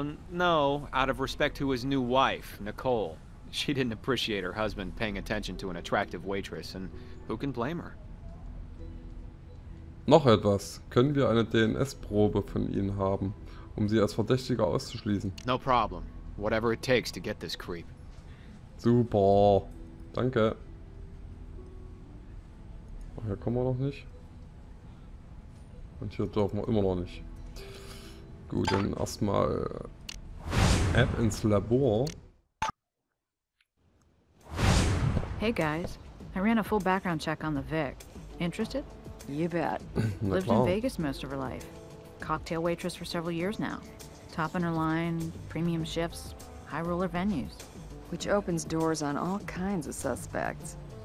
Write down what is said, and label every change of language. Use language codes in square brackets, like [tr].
[en] No, out of respect to his new wife, Nicole. She didn't appreciate her husband paying attention to an attractive waitress, and who can blame her? [de] Noch etwas. Können wir eine DNS-Probe von Ihnen haben, um Sie als Verdächtiger auszuschließen? [en] No problem. Whatever it takes to get this creep. [de] Super. Danke. Ach, hier kommen wir noch nicht. Und hier dürfen wir immer noch nicht. Gut, dann erstmal App ins Labor. [en] Hey guys, I ran a full background check on the Vic. Interested? You bet. Lived in Vegas most of her life. Cocktail waitress for several years now. Top in her line, premium shifts, high roller venues. Which opens doors on all kinds of suspects.